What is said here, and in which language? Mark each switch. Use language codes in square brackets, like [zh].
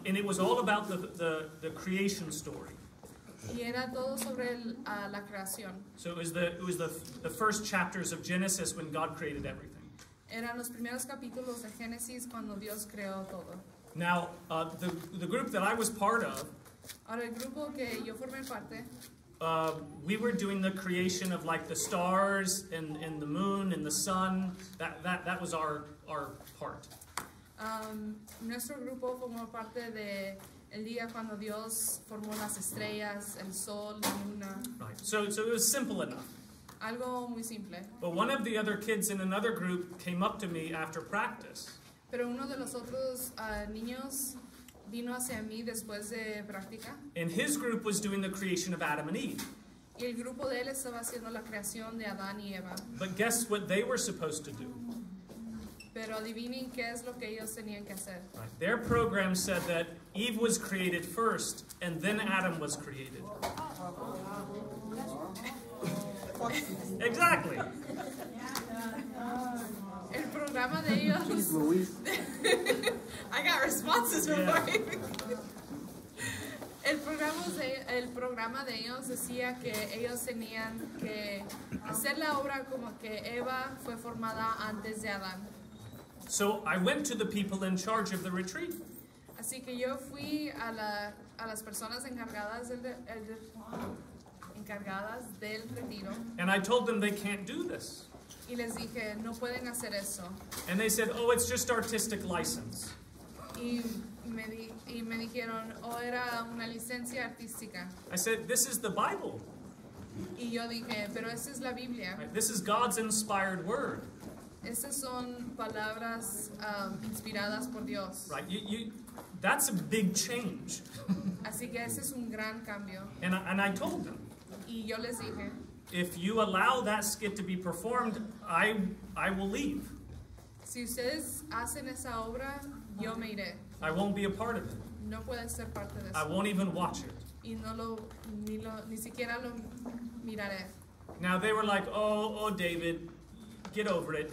[en] And it was all about the creation story. [es] Y era todo sobre la creación. [en] So it was the first chapters of Genesis when God created everything. [es] Eran los primeros capítulos de Génesis cuando Dios creó todo. [en] Now, the group that I was part of, [es] ahora el grupo que yo formé parte, [en] we were doing the creation of like the stars and the moon and the sun. That was our part. [es] Nuestro grupo formó parte de el día cuando Dios formó las estrellas, el sol, la luna. [en] Right. So it was simple enough. [es] Algo muy simple. [en] But one of the other kids in another group came up to me after practice. [es] Pero uno de los otros niños vino hacia mí después de práctica. [en] And his group was doing the creation of Adam and Eve. [es] Y el grupo de él estaba haciendo la creación de Adán y Eva. [en] But guess what they were supposed to do? [es] Pero adivinen qué es lo que ellos tenían que hacer. [en] Right. Their program said that Eve was created first and then Adam was created. Exactly. [es] El programa de ellos. [en] Jeez, Luis. I got responses from my. [es] El programa de ellos decía que ellos tenían que hacer la obra como que Eva fue formada antes de Adán. [en] So I went to the people in charge of the retreat. [es] Así que yo fui a las personas encargadas del [en] And I told them they can't do this. [es] Y les dije, no pueden hacer eso. [en] And they said, oh, it's just artistic license. [es] Y me dijeron, oh, era una licencia artística. [en] I said, this is the Bible. [es] Y yo dije, pero esa es la Biblia. [en] Right? This is God's inspired word. [es] Esas son palabras inspiradas por Dios. [en] Right, you, you, that's a big change. [es] Así que ese es un gran cambio. [en] And I told them. [es] Y yo les dije, [en] if you allow that skit to be performed, I will leave. [es] Si ustedes hacen esa obra, yo me iré. [en] I won't be a part of it. [es] No puede ser parte de eso. [en] I won't even watch it. [es] Y no lo, ni lo, ni siquiera lo miraré. [en] Now they were like, oh, David, get over it.